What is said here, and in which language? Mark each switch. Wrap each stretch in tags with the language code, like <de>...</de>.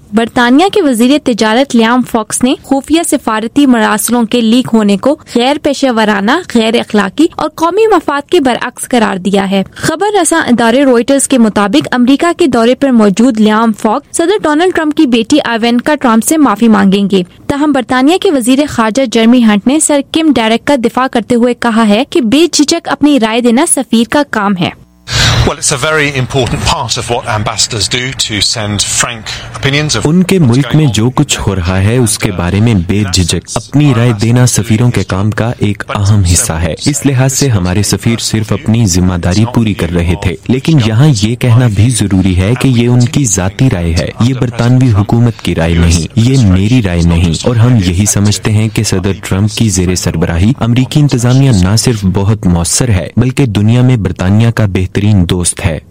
<ur>برطانیہ کے وزیر تجارت لیام فاکس نے خفیہ سفارتی مراسلوں کے لیک ہونے کو غیر پیشہ ورانہ، غیر اخلاقی اور قومی مفاد کے برعکس قرار دیا ہے۔ خبر رساں ادارے رویٹرز کے مطابق امریکہ کے دورے پر موجود لیام فاکس صدر ڈونلڈ ٹرمپ کی بیٹی آئیوانکا ٹرمپ سے معافی مانگیں گے۔ تاہم برطانیہ کے وزیر خارجہ جرمی ہنٹ نے سر کم ڈیرک کا دفاع کرتے ہوئے کہا ہے کہ بے جھجک اپنی رائے دینا سفیر کا کام ہے۔</ur> <en>Well, it's a very important part of what ambassadors do to send frank opinions of</en> <ur>ان کے ملک میں جو کچھ ہو رہا ہے اس کے بارے میں بے جھجک اپنی رائے دینا سفیروں کے کام کا ایک اہم حصہ ہے۔ اس لحاظ سے ہمارے سفیر صرف اپنی ذمہ داری پوری کر رہے تھے، لیکن یہاں یہ کہنا بھی ضروری ہے کہ یہ ان کی ذاتی رائے ہے، یہ برطانوی حکومت کی رائے نہیں، یہ میری رائے نہیں۔ اور ہم یہی سمجھتے ہیں کہ صدر ٹرمپ کی زیر سربراہی امریکی انتظامیہ نہ صرف بہت مؤثر ہے بلکہ دنیا میں برطانیہ کا بہترین دوست ہے۔</ur>